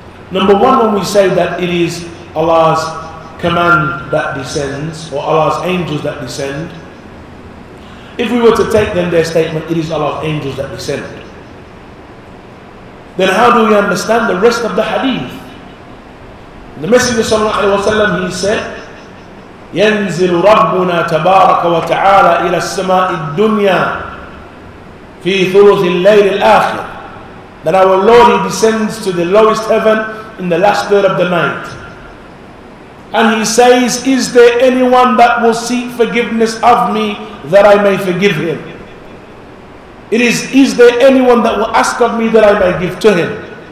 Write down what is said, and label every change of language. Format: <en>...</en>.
<en>Number one, when we say that it is Allah's command that descends, or Allah's angels that descend, if we were to take then their statement, it is Allah's angels that descend, then how do we understand the rest of the hadith? The Messenger sallallahu alaihi wasallam, he said,</en> <ar>يَنزِلُ رَبُّنَا تَبَارَكَ وَتَعَالَى إِلَى السَّمَاءِ الدُّنْيَا فِي ثُلُثِ اللَّيْلِ الْآخِرِ.</ar> <en>That our Lord, he descends to the lowest heaven in the last third of the night. And he says, is there anyone that will seek forgiveness of me that I may forgive him? Is there anyone that will ask of me that I may give to him?</en>